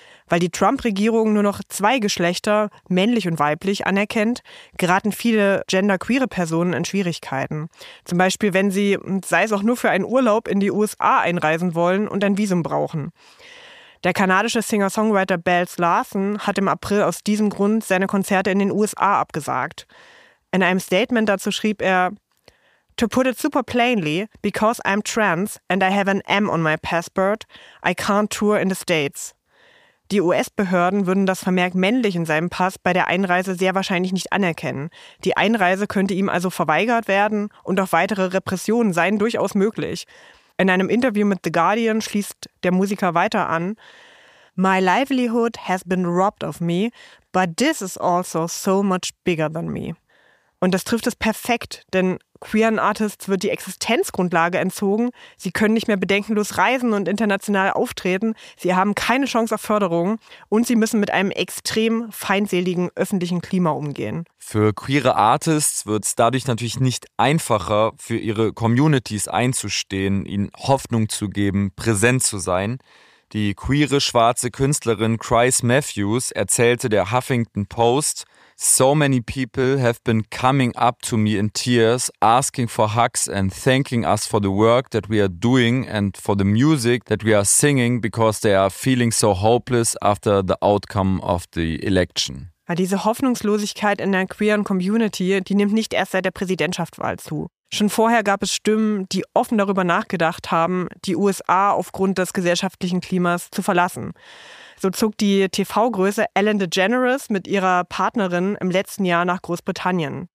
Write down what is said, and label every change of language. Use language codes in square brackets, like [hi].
[de] Weil die Trump-Regierung nur noch zwei Geschlechter, männlich und weiblich, anerkennt, geraten viele genderqueere Personen in Schwierigkeiten. Zum Beispiel, wenn sie, sei es auch nur für einen Urlaub, in die USA einreisen wollen und ein Visum brauchen. Der kanadische Singer-Songwriter Bells Larson hat im April aus diesem Grund seine Konzerte in den USA abgesagt. In einem Statement dazu schrieb er: [en] To put it super plainly, because I'm trans and I have an M on my passport, I can't tour in the States. [de] Die US-Behörden würden das Vermerk männlich in seinem Pass bei der Einreise sehr wahrscheinlich nicht anerkennen. Die Einreise könnte ihm also verweigert werden und auch weitere Repressionen seien durchaus möglich. In einem Interview mit The Guardian schließt der Musiker weiter an: [en] My livelihood has been robbed of me, but this is also so much bigger than me. [de] Und das trifft es perfekt, denn queeren Artists wird die Existenzgrundlage entzogen. Sie können nicht mehr bedenkenlos reisen und international auftreten. Sie haben keine Chance auf Förderung und sie müssen mit einem extrem feindseligen öffentlichen Klima umgehen. Für queere Artists wird es dadurch natürlich nicht einfacher, für ihre Communities einzustehen, ihnen Hoffnung zu geben, präsent zu sein. Die queere schwarze Künstlerin Chrys Matthews erzählte der Huffington Post: [en] So many people have been coming up to me in tears, asking for hugs and thanking us for the work that we are doing and for the music that we are singing, because they are feeling so hopeless after the outcome of the election. [de] Ja, diese Hoffnungslosigkeit in der queeren Community, die nimmt nicht erst seit der Präsidentschaftswahl zu. Schon vorher gab es Stimmen, die offen darüber nachgedacht haben, die USA aufgrund des gesellschaftlichen Klimas zu verlassen. So zog die TV-Größe Ellen DeGeneres mit ihrer Partnerin im letzten Jahr nach Großbritannien.